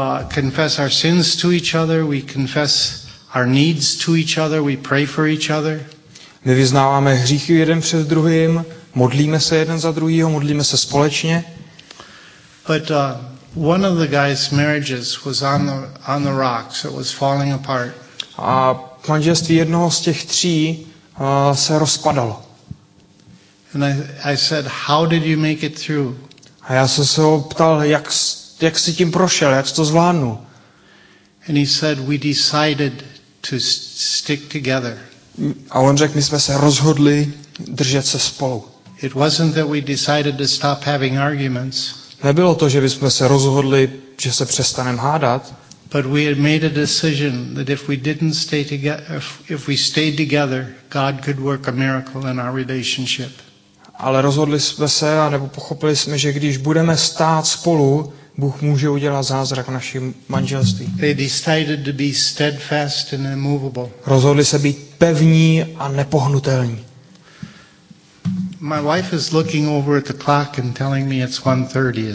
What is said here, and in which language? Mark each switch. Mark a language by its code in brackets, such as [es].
[en] confess our sins to each other, we confess our needs to each other, we pray for each other. [cs] My vyznáváme hříchy jeden před druhým, modlíme se jeden za druhýho, modlíme se společně. [en] But one of the guys' marriages was on the rocks, it was falling apart. [cs] A manželství jednoho z těch tří se rozpadalo. [en] And I said, how did you make it through? [cs] A já jsem se ho ptal, jak jsi tím prošel, jak jsi to zvládnul. [en] And he said, we decided to stick together. [cs] A on řekl, my jsme se rozhodli držet se spolu. [en] It wasn't that we decided to stop having arguments. [cs] Nebylo to, že bychom se rozhodli, že se přestaneme hádat. [en] But we had made a decision that if we didn't stay together, if we stayed together, God could work a miracle in our relationship. [cs] Ale rozhodli jsme se, nebo pochopili jsme, že když budeme stát spolu, Bůh může udělat zázrak v našem manželství. [en] They decided to be steadfast and immovable. [cs] Rozhodli se být pevní a nepohnutelní. [en] My wife is looking over at the clock and telling me it's 1:30.